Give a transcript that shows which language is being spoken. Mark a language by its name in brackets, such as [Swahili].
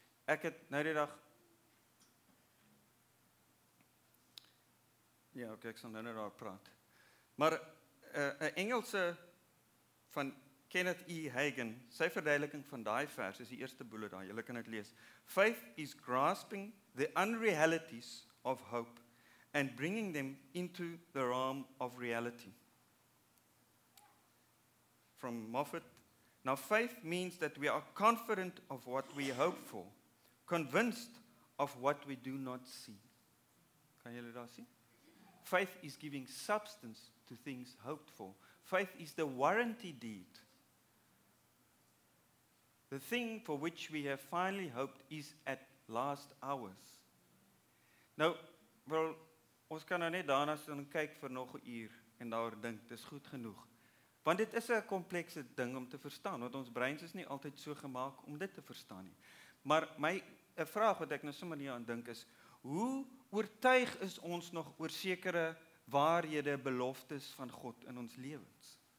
[Afrikaans] Ek het nou die dag, ja, ok, ek sal nou nie daar praat. Maar 'n Engelse van Kenneth E. Hagin, sy verduideliking van daai vers, is die eerste bullet daar, julle kan dit lees. [English] Faith is grasping the unrealities of hope and bringing them into the realm of reality. from Moffat. Now, faith means that we are confident of what we hope for, convinced of what we do not see. [Afrikaans] Kan julle daar sien? [English] Faith is giving substance to things hoped for. Faith is the warranty deed. The thing for which we have finally hoped is at last ours. [Afrikaans] Nou, wel, ons kan nou net daarna staan en kyk vir nog 'n uur en daar dink, dis goed genoeg. Want dit is 'n komplekse ding om te verstaan, want ons breins is nie altyd so gemaak om dit te verstaan nie. Maar my 'n vraag wat ek nou sommer nie aan dink is, hoe oortuig is ons nog oor sekere waarhede, beloftes van God in ons lewens?